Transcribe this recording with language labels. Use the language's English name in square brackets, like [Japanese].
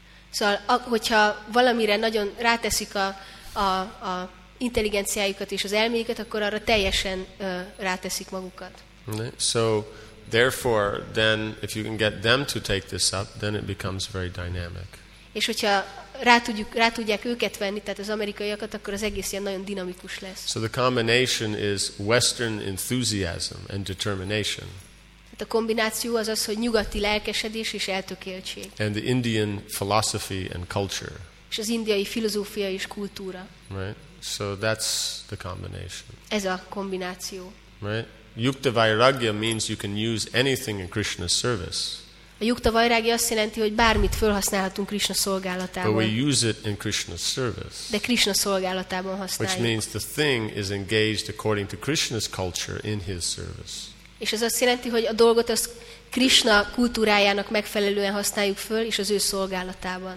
[Hungarian] Szóval, hogyha valamire nagyon ráteszik a intelligenciájukat és az elméjüket, akkor arra teljesen ráteszik magukat. [English] So therefore, then if you can get them to take this up, then it becomes very dynamic. [Hungarian] És hogyha rá tudják őket venni, tehát az amerikaiakat, akkor az egész ilyen nagyon dinamikus lesz. [English] So the combination is Western enthusiasm and determination. [Hungarian] Tehát a kombináció az, hogy nyugati lelkesedés és eltökéltség. [English] And the Indian philosophy and culture. [Hungarian] És az indiai filozófia és kultúra. [English] Right. So that's the combination. [Hungarian] Ez a kombináció. [English] Right. Yukta Vairagya means you can use anything in Krishna's service. [Hungarian] A Yukta Vairagya azt jelenti, hogy bármit felhasználhatunk Krishna szolgálatában. [English] But we use it in Krishna's service. [Hungarian] De Krishna szolgálatában használjuk. [English] Which means the thing is engaged according to Krishna's culture in his service. [Hungarian] És ez azt jelenti, hogy a dolgot az Krishna kultúrájának megfelelően használjuk föl, és az ő szolgálatában.